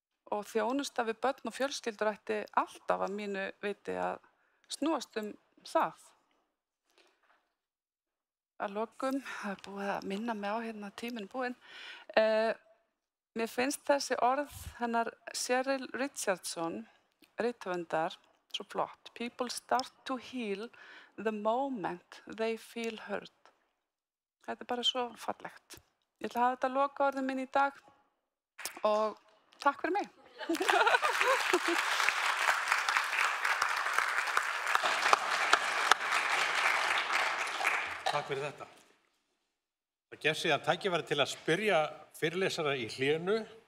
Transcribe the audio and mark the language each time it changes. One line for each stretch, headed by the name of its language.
Icelandic: Og þjónusta við börn og fjölskyldur ætti alltaf að mínu viti að snúast það. Að lokum, það búið að minna mig á hérna tíminn búinn. Mér finnst þessi orð hennar Cheryl Richardson, rithöfundar, svo flott.
English: People start to heal the moment they feel hurt.
Icelandic: Þetta bara svo fallegt. Ég ætla að hafa þetta loka orðin minn í dag og takk fyrir mig. Takk fyrir þetta. Það gef síðan tækifæri til að spyrja fyrirlesara í hlénu.